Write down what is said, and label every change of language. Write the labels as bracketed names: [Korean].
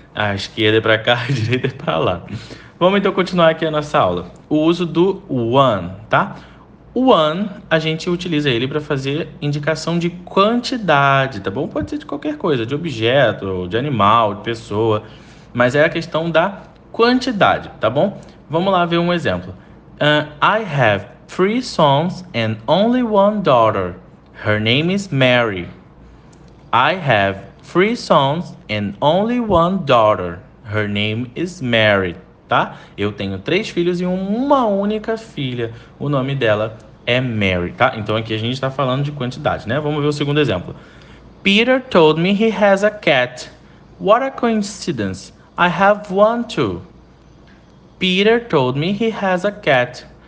[Portuguese] A esquerda é para cá, a direita é para lá. Vamos, então, continuar aqui a nossa aula. O uso do one, tá? One, a gente utiliza ele para fazer indicação de quantidade, tá bom? Pode ser de qualquer coisa, de objeto, de animal, de pessoa. Mas é a questão da quantidade, tá bom? Vamos lá ver um exemplo. [English] I have three sons and only one daughter. Her name is Mary. I have three sons and only one daughter. Her name is Mary. Tá? [Portuguese] Eu tenho três filhos e uma única filha. O nome dela é Mary, tá? Então aqui a gente está falando de quantidade, né? Vamos ver o segundo exemplo. [English] Peter told me he has a cat. What a coincidence. I have one too. Peter told me he has a cat.